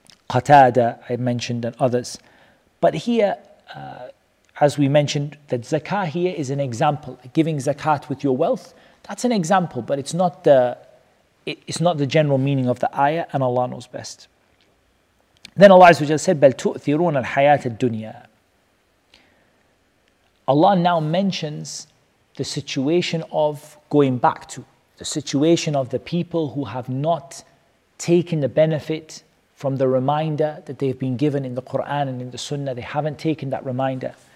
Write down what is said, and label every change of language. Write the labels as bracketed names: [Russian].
[English] Qatada, I mentioned, and others. But here, as we mentioned, that zakah here is an example. Giving zakat with your wealth, that's an example, but it's not the general meaning of the ayah, and Allah knows best. Then Allah said, [Arabic] بَلْ تُؤْثِرُونَ الْحَيَاةَ الدُّنْيَا. [English] Allah now mentions the situation of going back to, the situation of the people who have not taken the benefit from the reminder that they've been given in the Quran and in the Sunnah. They haven't taken that reminder.